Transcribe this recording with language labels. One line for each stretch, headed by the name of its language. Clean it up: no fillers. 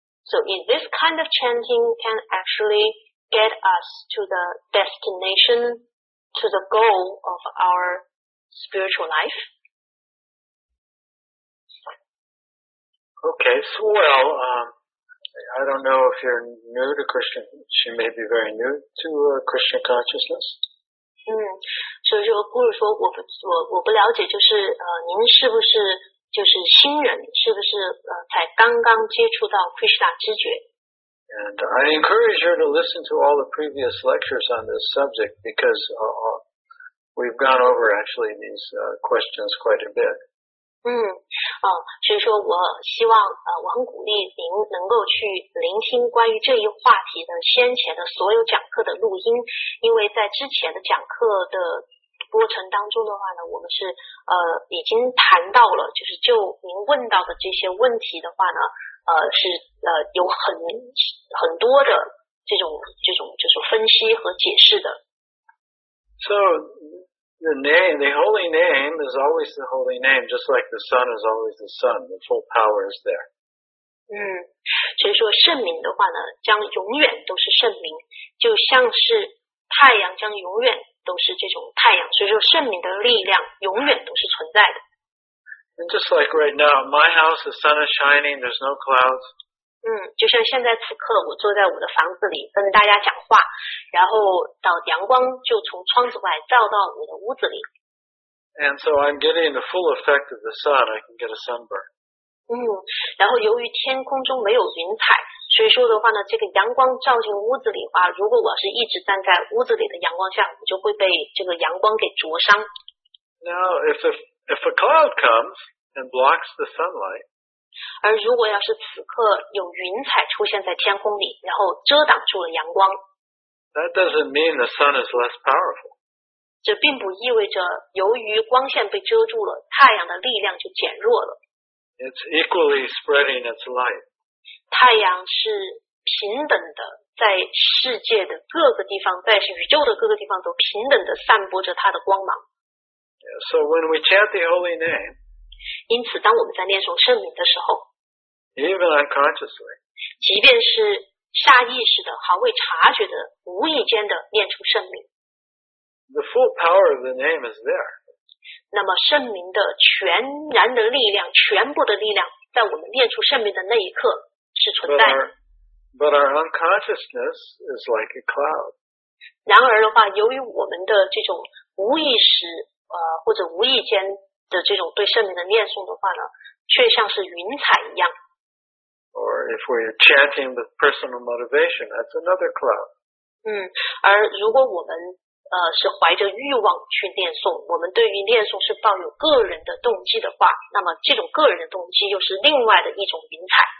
English: So is this kind of chanting can actually. Get us to the destination, to the goal of our spiritual life? Okay, so well, I don't know if you're new to Krishna. She may be very new to Krishna consciousness.
Chinese: 所以说不如说我不了解就是您是不是就是新人是不是才刚刚接触到 Krishna 知觉
English: And I encourage her to listen to all the previous lectures on this subject because we've gone over actually these questions quite a bit.
Chinese: 所以说我希望我很鼓励您能够去聆听关于这一话题的先前的所有讲课的录音，因为在之前的讲课的过程当中的话呢，我们是已经谈到了，就是就您问到的这些问题的话呢。有很多的这种就是分析和解释的。
English: So the name, the holy name is always the holy name, just like the sun is always the sun. The full power is there.
Chinese: 所以说圣名的话呢，将永远都是圣名，就像是太阳将永远都是这种太阳。所以说圣名的力量永远都是存在的。
English: And just like right now, my house, the sun is shining, there's no clouds.
Chinese: 就像现在此刻我坐在我的房子里跟大家讲话，然后到阳光就从窗子外照到我的屋子里。
English: And so I'm getting the full effect of the sun, I can get a sunburn.
Chinese: 然后由于天空中没有云彩，所以说的话呢，这个阳光照进屋子里的话，如果我是一直站在屋子里的阳光下，我就会被这个阳光给灼伤。
English: Now, if a cloud comes and blocks the sunlight,
Chinese: 而如果要是此刻有云彩出现在天空里，然后遮挡住了阳光，
English: that doesn't mean the sun is less powerful.
Chinese: 这并不意味着由于光线被遮住了，太阳的力量就减弱了。
English: It's equally spreading its light.
Chinese: 太阳是平等的，在世界的各个地方，在宇宙的各个地方都平等的散播着它的光芒。
English: So when we chant the holy name,
Chinese: 因此当我们在念诵圣名的时候，
English: even unconsciously,
Chinese: 即便是下意识的毫未察觉的无意间的念出圣名，
English: the full power of the name is there.
Chinese: 那么圣名的全然的力量，全部的力量在我们念出圣名的那一刻是存在的。
English: But our unconsciousness is like a cloud.
Chinese: 然而的话，由于我们的这种无意识或者无意间的这种对圣名的念诵的话呢，却像是云彩一样。
English: Or if we're chanting with personal motivation, that's another cloud.
Chinese: 而如果我们是怀着欲望去念诵，我们对于念诵是抱有个人的动机的话，那么这种个人的动机又是另外的一种云彩。